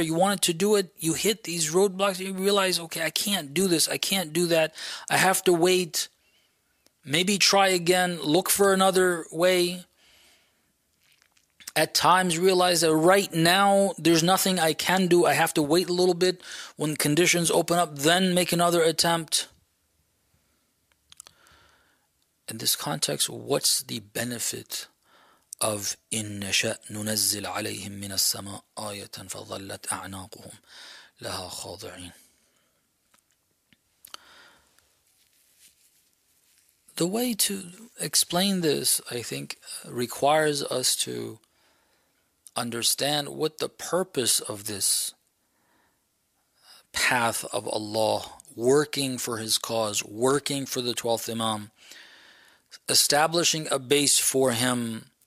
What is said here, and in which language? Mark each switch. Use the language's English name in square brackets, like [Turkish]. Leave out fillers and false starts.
[English] You wanted to do it, you hit these roadblocks, you realize, okay, I can't do this, I can't do that, I have to wait, maybe try again, look for another way. At times realize that right now there's nothing I can do, I have to wait a little bit, when conditions open up, then make another attempt. In this context, what's the benefit of [Arabic] إِنَّ شَأْ نُنَزِّلْ عَلَيْهِمْ مِنَ السَّمَاءِ آيَةً فَظَلَّتْ أَعْنَاقُهُمْ لَهَا خَاضِعِينَ. [English] The way to explain this, I think, requires us to understand what the purpose of this path of Allah, working for His cause, working for the 12th Imam, establishing a base for Him,